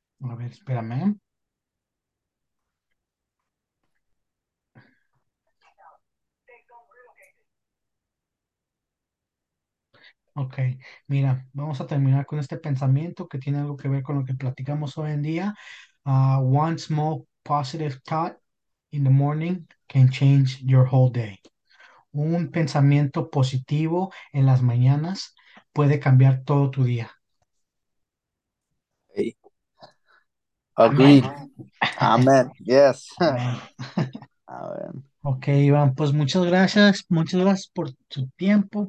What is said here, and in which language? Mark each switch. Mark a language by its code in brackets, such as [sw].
[es] A ver, espérame. Ok, mira, vamos a terminar con este pensamiento que tiene algo que ver con lo que platicamos hoy en día. [en] One small positive thought in the morning can change your whole day. [es] Un pensamiento positivo en las mañanas puede cambiar todo tu día. [en] Agreed. [es] Amén. Amén. [en] Yes. [es] Amén. Amén. Ok, Iván, pues muchas gracias por tu tiempo.